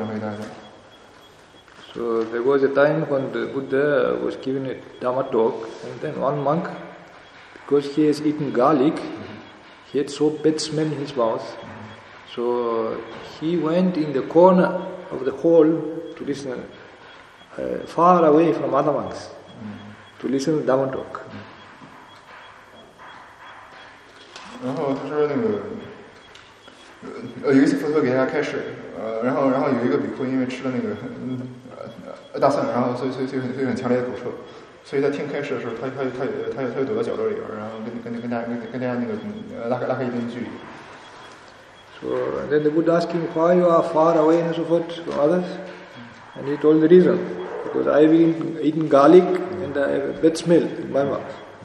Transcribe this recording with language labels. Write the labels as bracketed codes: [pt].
[zh] 昨天我们昨天讨论的就是有关几种不同的药，那个分类。然后我们昨天有些讨论，最后讨论一下大蒜。而那个大蒜这个东西，大蒜这个东西，在佛陀一开始是禁止比丘使用大蒜，然后就原因这样回答一下。So [en] there was a time when the Buddha was giving a Dhamma talk, and then one monk, because he has eaten garlic, he had so bad smell in his mouth. So he went in the corner of the hall to listen, far away from other monks, to listen to Dhamma talk. [zh] 然后他说那个，有一次佛陀给大家开示，然后有一个比丘因为吃了那个大蒜，然后所以很强烈的口臭，所以在听开示的时候，他又躲到角落里边，然后跟大家那个拉开一定距离。 [en] So and then the Buddha asked him why you are far away and so forth from others, and he told the reason, because I've been eating garlic and I have a bad smell in my mouth.